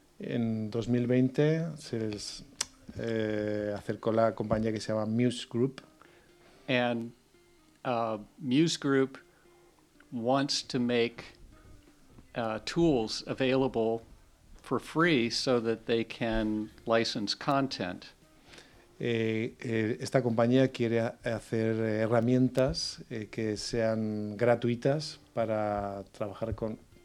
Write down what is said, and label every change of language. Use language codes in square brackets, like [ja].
[es] En 2020 se les acercó la compañía que se llama Muse Group. [en] And Muse Group wants to make tools available for free so that they can license content. [es] Esta compañía quiere hacer herramientas que sean gratuitas para trabajar con...